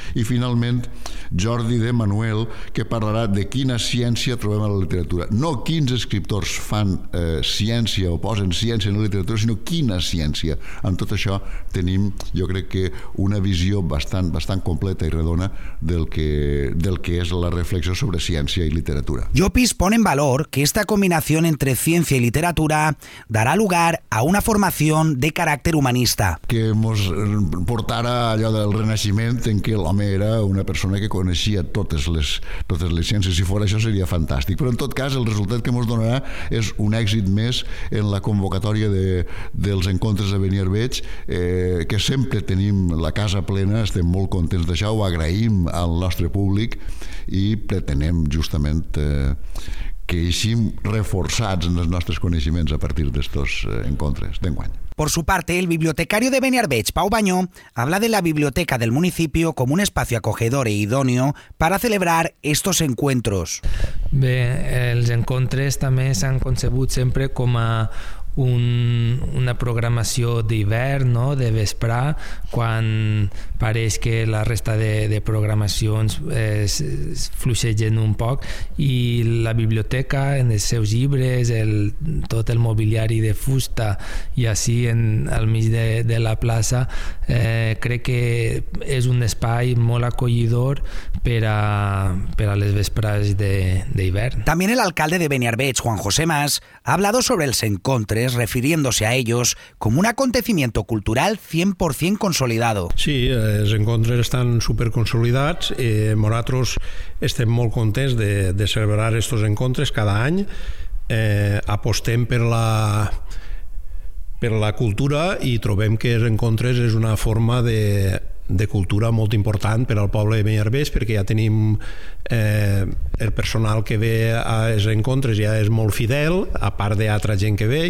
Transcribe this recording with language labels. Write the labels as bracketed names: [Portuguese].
[Catalan] I finalment Jordi de Manuel, que parlarà de quina ciència trobem a la literatura. No quins escriptors fan ciència o posen ciència en la literatura, sinó quina ciència. Amb tot això tenim, jo crec que, una visió bastant, bastant completa i redona del que és la reflexió sobre ciència i literatura. [Spanish] Llopis pone en valor que esta combinación entre ciencia y literatura dará lugar a una formación de carácter humanista. [Catalan] Que mos portara allò del renaixement, en què l'home era una persona que coneixia totes les ciències. Si fos això seria fantàstic. Però en tot cas, el resultat que mos donarà és un èxit més en la convocatòria dels encontres de Beniarbeig, que sempre tenim la casa plena, estem molt contents d'això, ho agraïm al nostre públic i pretenem justament que eixim reforçats en els nostres coneixements a partir d'estos encontres d'enguany. [Spanish] Por su parte, el bibliotecario de Beniarbeig, Pau Bañó, habla de la biblioteca del municipio como un espacio acogedor e idóneo para celebrar estos encuentros. [Catalan] Bé, els encontres també s'han concebut sempre com a una programació d'hivern, no? De vesprà, quan pareix que la resta de programacions es fluixegen un poc, i la biblioteca en els seus llibres, tot el mobiliari de fusta i així al mig de la plaça, crec que és un espai molt acollidor per a les vesprades d'hivern. També l'alcalde de Beniarbeig, Juan José Mas, [Spanish] ha hablado sobre [Catalan] els encontres [Spanish] Londres refiriéndose a ellos como un acontecimiento cultural 100% consolidado. [Catalan] Sí, els encontres estan super consolidats i nosaltres estem molt contents de celebrar aquests encontres cada any. Apostem per la cultura i trobem que els encontres és una forma de cultura molt important per al poble de Beniarbeig, perquè ja tenim el personal que ve als encontres ja és molt fidel, a part d'altra gent que ve.